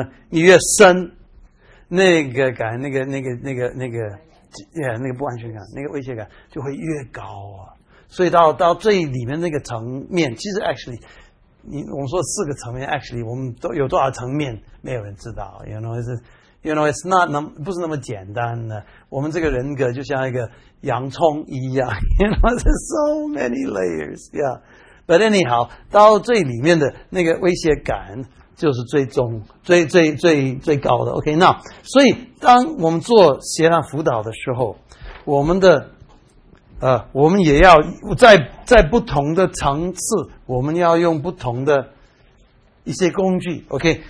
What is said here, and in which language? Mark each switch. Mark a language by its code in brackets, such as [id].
[zh] 你越深，那个感，那个不安全感，那个威胁感就会越高啊。所以到这里面那个层面，其实 actually， 我们说四个层面 ，actually 我们都有多少层面，没有人知道。 [en] You know, it's not [zh] 不是那么简单的。我们这个人格就像一个洋葱一样 ， [en] You know, there's so many layers, yeah. But anyhow， [zh] 到这里面的那个威胁感。就是最终最最最最高的 OK， 那所以当我们做协谈辅导的时候，我们也要在不同的层次，我们要用不同的一些工具 OK。